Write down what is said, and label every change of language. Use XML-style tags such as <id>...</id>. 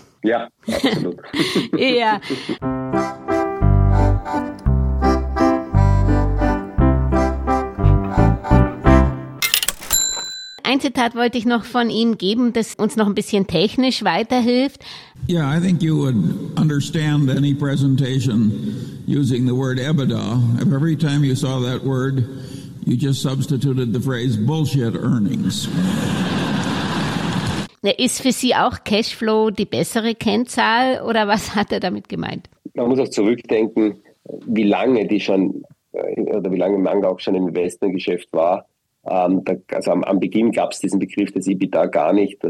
<de>Ja, absolut. Ja. Ein Zitat wollte ich noch von ihm geben, das uns noch ein bisschen technisch weiterhilft.</de> <en>Yeah, I think you would understand any presentation using the word EBITDA. If every time you saw that word, you just substituted the phrase bullshit earnings.</en> <de>Ist für Sie auch Cashflow die bessere Kennzahl oder was hat er damit gemeint? Man muss auch zurückdenken, wie lange die schon oder wie lange Manga auch schon im Investmentgeschäft war. Am Beginn gab es diesen Begriff des EBITDA gar nicht.</de>